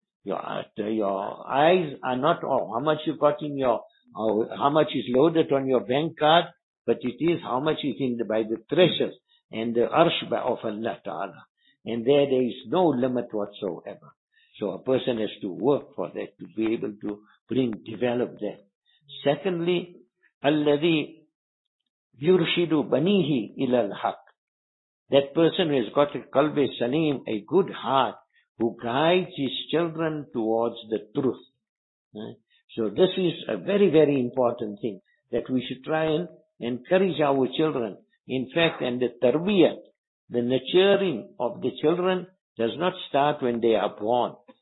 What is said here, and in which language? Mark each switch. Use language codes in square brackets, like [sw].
[en] Your eyes are not how much you got in your, how much is loaded on your bank card, but it is how much is in the, by the treasures and the arsh of Allah Ta'ala. And there is no limit whatsoever. So a person has to work for that, to be able to bring, develop that. Secondly, [ar] الَّذِي يُرْشِدُ بَنِيهِ إِلَى الْحَقِّ. [en] That person who has got a qalb-e saleem, a good heart, who guides his children towards the truth. So this is a very, very important thing, that we should try and encourage our children. In fact, and the tarbiyat, the nurturing of the children, does not start when they are born.